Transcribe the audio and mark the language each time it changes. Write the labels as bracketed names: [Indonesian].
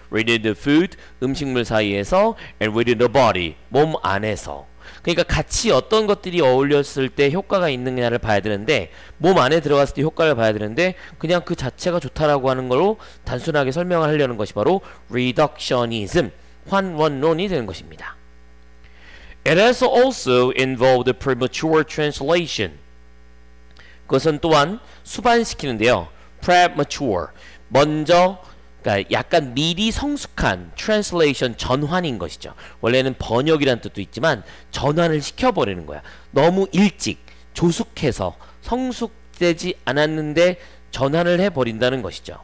[English] within the food [Korean] 음식물 사이에서 [English] and within the body [Korean] 몸 안에서 그러니까 같이 어떤 것들이 어울렸을 때 효과가 있느냐를 봐야 되는데 몸 안에 들어갔을 때 효과를 봐야 되는데 그냥 그 자체가 좋다라고 하는 거로 단순하게 설명을 하려는 것이 바로 reductionism 환원론이 되는 것입니다. [English] It has also involved a premature translation. [Korean] 그것은 또한 수반시키는데요. Premature, 먼저 그러니까 약간 미리 성숙한 translation 전환인 것이죠. 원래는 번역이란 뜻도 있지만 전환을 시켜버리는 거야. 너무 일찍 조숙해서 성숙되지 않았는데 전환을 해버린다는 것이죠.